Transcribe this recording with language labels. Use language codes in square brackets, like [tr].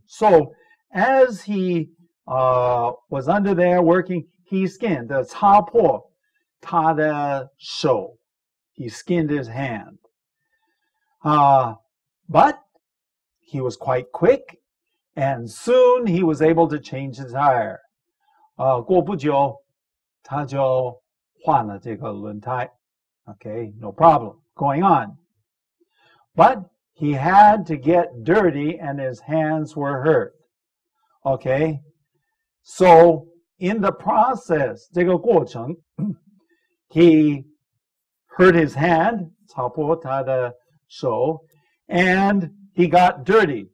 [en] So as he was under there working, he skinned the [zh] 擦破他的手. [en] He skinned his hand. But he was quite quick, and soon he was able to change his tire. [zh] 过不久他就换了这个轮胎. [en] Okay, no problem. Going on. But he had to get dirty and his hands were hurt. Okay. So in the process, [zh] 这个过程, [en] he hurt his hand, [zh] 擦破他的手, [en] and he got dirty.